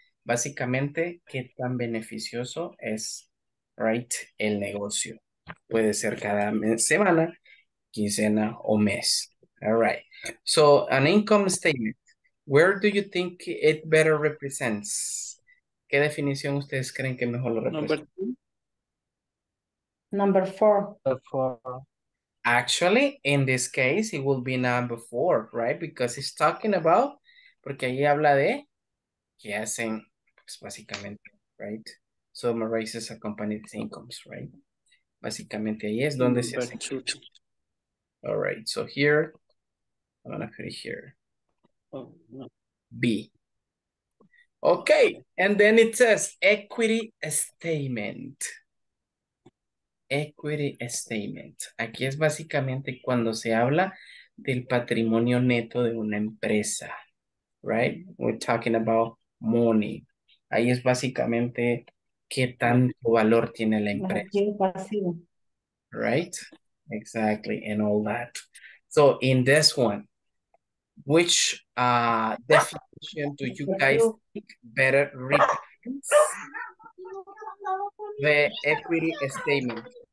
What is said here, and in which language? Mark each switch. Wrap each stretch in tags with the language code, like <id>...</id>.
<es>Básicamente, ¿qué tan beneficioso es, right, el negocio? Puede ser cada semana, quincena o mes.</es> <en>All right. So, an income statement. Where do you think it better represents?</en> <es>¿Qué definición ustedes creen que mejor lo representa?</es> <en>Number four. Actually, in this case, it will be number four, right? Because it's talking about,</en> <es>porque ahí habla de, ¿qué hacen? Pues básicamente,</es> <en>right? Summarizes a company's incomes, right?</en> <es>Básicamente ahí es donde se hace.</es> <en>Two. All right, so here, I'm gonna put it here. Oh, no. B. Okay, and then it says equity statement. Equity statement.</en> <es>Aquí es básicamente cuando se habla del patrimonio neto de una empresa, right?</es> <en>We're talking about money.</en> <es>Ahí es básicamente qué tanto valor tiene la empresa. Aquí es pasivo.</es> <en>Right? Exactly, and all that. So in this one, which definition do you guys think better represents the equity statement?</en>